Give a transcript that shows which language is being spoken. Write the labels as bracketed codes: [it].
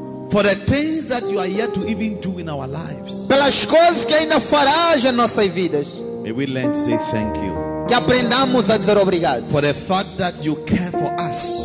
[en] For the things that you are yet to even do in our lives. [pt] Pelas coisas que ainda farás em nossas vidas. [en] May we learn to say thank you. [pt] Que aprendamos a dizer obrigado. [en] For the fact that you care for us.